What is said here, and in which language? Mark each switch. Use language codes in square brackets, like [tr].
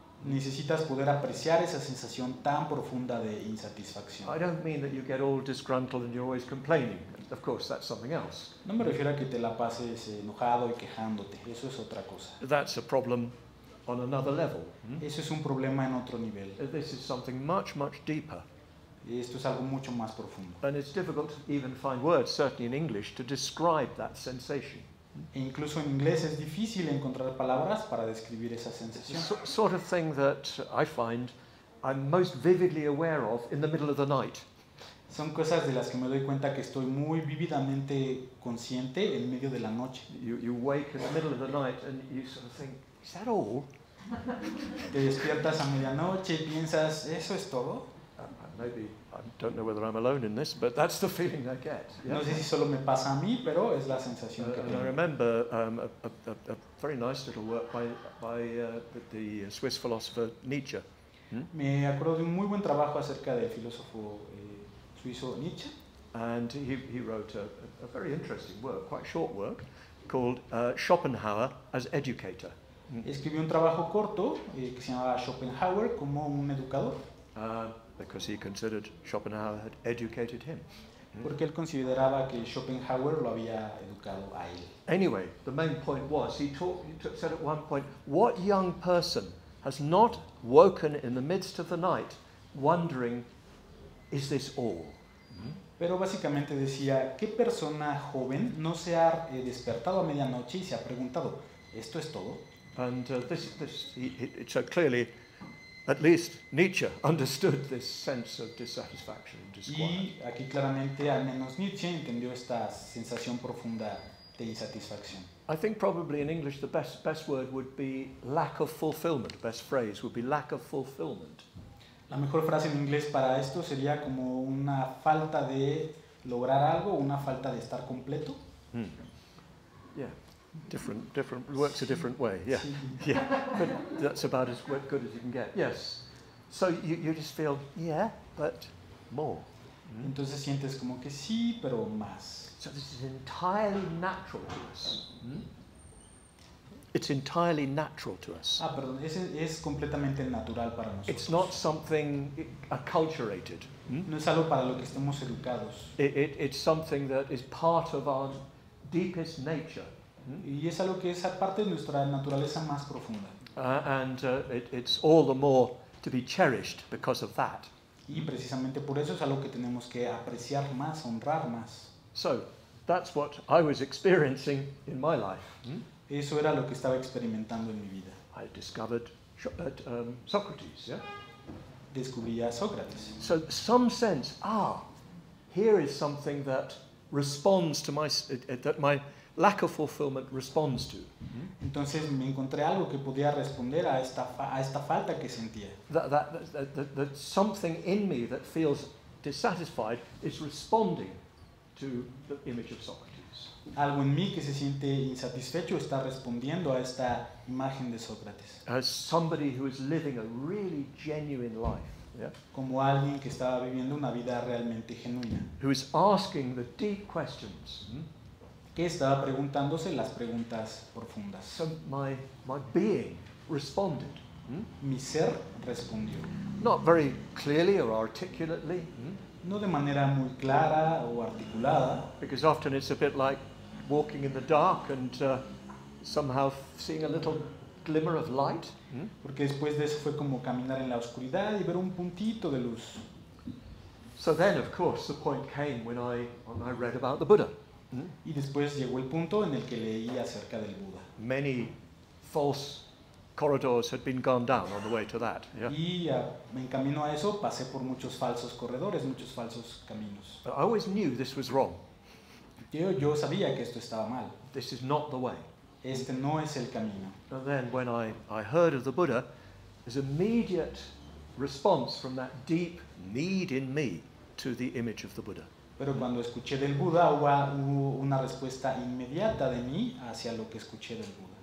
[es] Necesitas poder apreciar esa sensación tan profunda de insatisfacción. [en] I don't mean that you get all disgruntled and you're always complaining. Of course, that's something else. [es] No me refiero a que te la pases enojado y quejándote. Eso es otra cosa. [en] That's a problem on another level. [es] Eso es un problema en otro nivel. [en] This is something much, much deeper. [es] Esto es algo mucho más profundo. [en] And it's difficult to even find words, certainly in English, to describe that sensation. [es] E incluso en inglés es difícil encontrar palabras para describir esa sensación. [en] Sort of thing that I find I'm most vividly aware of in the middle of the night. [es] Son cosas de las que me doy cuenta que estoy muy vívidamente consciente en medio de la noche. [en] You wake in the middle of the night and you sort of think, is that all? [es] Te despiertas a medianoche y piensas, ¿eso es todo? [en] Maybe I don't know whether I'm alone in this, but that's the feeling I get. Yeah? [es] No sé si solo me pasa a mí, pero es la sensación que tengo. [en] I remember a very nice little work by the Swiss philosopher Nietzsche. [es] Me acuerdo de un muy buen trabajo acerca del filósofo suizo Nietzsche. [en] And he wrote a very interesting work, quite short work, called Schopenhauer as Educator. [es] Escribió un trabajo corto que se llamaba Schopenhauer como un educador. [en] Because he considered Schopenhauer had educated him. [es] Porque él consideraba que Schopenhauer lo había educado a él. [en] Anyway, the main point was, he said at one point, what young person has not woken in the midst of the night wondering, is this all? [es] Pero básicamente decía, ¿qué persona joven no se ha despertado a medianoche y se ha preguntado, esto es todo? [en] And so clearly, at least Nietzsche understood this sense of dissatisfaction and disquiet. [es] Y aquí claramente al menos Nietzsche entendió esta sensación profunda de insatisfacción. [en] I think probably in English the best word would be lack of fulfillment. Best phrase would be lack of fulfillment. [es] La mejor frase en inglés para esto sería como una falta de lograr algo, una falta de estar completo. [en] Yeah. Different works sí. A different way. Yeah. Sí. Yeah. But that's about as good as you can get. Yes. So you just feel, yeah, but more. [es] Mm? Entonces sientes como que sí, pero más. [en] So this is entirely natural to us. Mm? It's entirely natural to us. [es] Ah, perdón, es completamente natural para nosotros. [en] It's not something acculturated. [es] No es algo para lo que estemos educados. [en] It's something that is part of our deepest nature. [es] Y es algo que es parte de nuestra naturaleza más profunda. [en] And it's all the more to be cherished because of that. [es] Y precisamente por eso es algo que tenemos que apreciar más, honrar más. [en] So, that's what I was experiencing in my life. [es] Eso era lo que estaba experimentando en mi vida. [en] I discovered Socrates, yeah? [es] Descubrí a Sócrates. [en] So some sense, here is something that responds to my lack of fulfillment responds to. [es] Entonces me encontré algo que podía responder a esta falta que sentía. [en] That something in me that feels dissatisfied is responding to the image of Socrates. [es] Algo en mí que se siente insatisfecho está respondiendo a esta imagen de Sócrates. [en] As somebody who is living a really genuine life, yeah? [es] Como alguien que estaba viviendo una vida realmente genuina. [en] Who is asking the deep questions, [es] Que estaba preguntándose las preguntas profundas. [en] So my being responded. [es] Mi ser respondió. [en] Not very clearly or articulately. [es] No de manera muy clara o articulada. [en] Because often it's a bit like walking in the dark and somehow seeing a little glimmer of light. [es] Porque después de eso fue como caminar en la oscuridad y ver un puntito de luz. [en] So then, of course, the point came when I read about the Buddha. [es] Y después llegó el punto en el que leí acerca del Buda. [en] Many false corridors had been gone down on the way to that. Yeah. [es] Y en camino a eso pasé por muchos falsos corredores, muchos falsos caminos. [en] But I always knew this was wrong. [es] Yo sabía que esto estaba mal. [en] This is not the way. [es] Este no es el camino. [en] And then when I heard of the Buddha, there's immediate response from that deep need in me to the image of the Buddha. [es] Pero cuando escuché del Buda, hubo una respuesta inmediata de mí hacia lo que escuché del Buda.